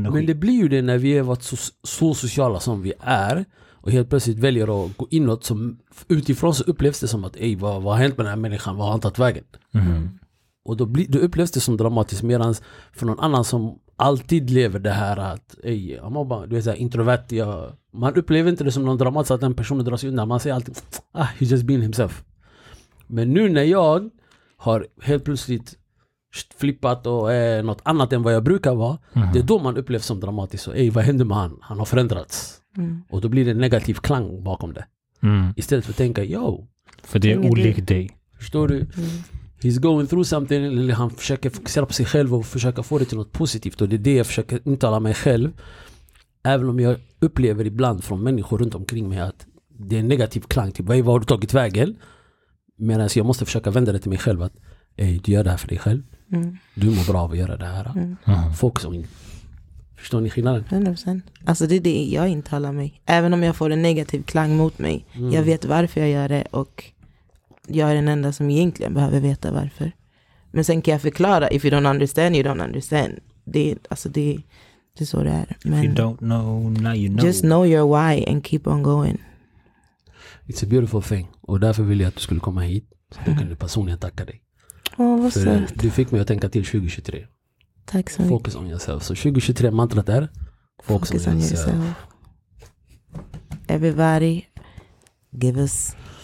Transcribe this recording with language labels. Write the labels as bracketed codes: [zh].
[sv] Men det blir ju det när vi är så sociala som vi är och helt plötsligt väljer att gå inåt som utifrån så upplevs det som att ej, vad har hänt med den här människan? Vad har han tagit vägen? Mm. Och då upplevs det som dramatiskt medan för någon annan som alltid lever det här att ej, du är så här introvert, man upplever inte det som någon dramatisk att den personen dras undan. Man säger alltid, ah, [en] he's just been himself. [sv] Men nu när jag har helt plötsligt flippat och är något annat än vad jag brukar vara, mm-hmm, det är då man upplevs som dramatiskt. Ej, vad händer med han? Han har förändrats. Mm. Och då blir det en negativ klang bakom det. Mm. Istället för att tänka, yo. För det är olikt dig. Förstår du? Mm. [en] He's going through something. [sv] Eller han försöker fokusera på sig själv och försöka få det till något positivt. Och det är det jag försöker intala mig själv. Även om jag upplever ibland från människor runt omkring mig att det är en negativ klang. Typ, vad har du tagit vägen? Medan jag måste försöka vända det till mig själv. Att, ej, du gör det här för dig själv. Mm. Du mår bra av att göra det här. Mm. Mm. Fokus om. Förstår ni skillnaden? 100%. Alltså det är det jag intalar mig. Även om jag får en negativ klang mot mig. Mm. Jag vet varför jag gör det. Och jag är den enda som egentligen behöver veta varför. Men sen kan jag förklara. [en] If you don't understand, you don't understand. [sv] Det är alltså det. Det är så det är. Men [en] if you don't know, now you know. Just know your why and keep on going. It's a beautiful thing. [sv] Och därför vill jag att du skulle komma hit. Så då kan du personligen tacka dig. Åh, vad sött. Du fick mig att tänka till 2023. Tack så mycket. [en] Focus on yourself. [sv] Så 2023 mantrat är [en] Focus on yourself. Everybody, give us